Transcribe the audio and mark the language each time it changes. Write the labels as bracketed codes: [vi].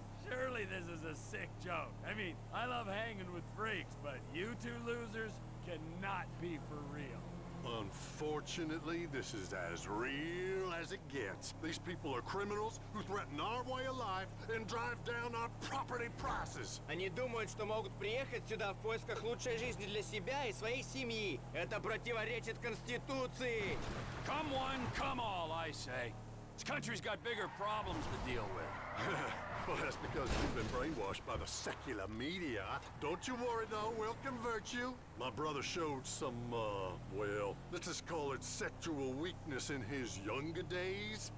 [en] Surely this is a sick joke. I mean, I love hanging with freaks, but you two losers cannot be for real. Unfortunately, this is as real as it gets. These people are criminals who threaten our way of life and drive down our property prices. [ru] Они думают, что могут приехать сюда в поисках лучшей жизни для себя и своей семьи. Это противоречит Конституции. [en] Come one, come all, I say. This country's got bigger problems to deal with. Well, that's because you've been brainwashed by the secular media. Don't you worry, though. We'll convert you. My brother showed some, let's just call it sexual weakness in his younger days.